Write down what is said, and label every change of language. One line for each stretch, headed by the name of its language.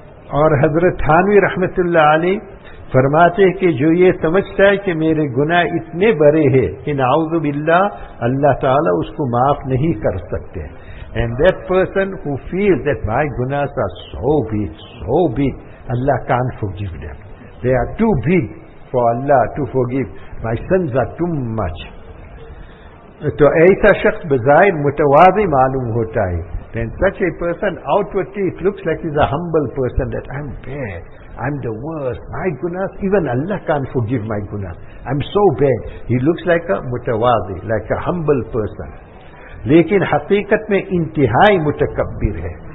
Urdu: Aur Hazrat Thanvi Rahmatullah Ali فرماتے ہیں کہ جو یہ سمجھتا ہے کہ میرے گناہ اتنے بڑے ہیں کہ نعوذ باللہ اللہ تعالیٰ اس کو معاف نہیں کر سکتے.
English: And that person who feels that my gunas are so big, Allah can't forgive them. They are too big for Allah to forgive. My sins are too much.
Urdu: تو ایسا شخص بظاہر متواضع معلوم ہوتا ہے
English: then such a person outwardly it looks like he's a humble person, that I'm bad, I'm the worst, my gunas, even Allah can't forgive my gunas, I'm so bad. He looks like a mutawazi, like a humble person.
Urdu: Lekin haqeeqat mein intihai mutakabbir hai.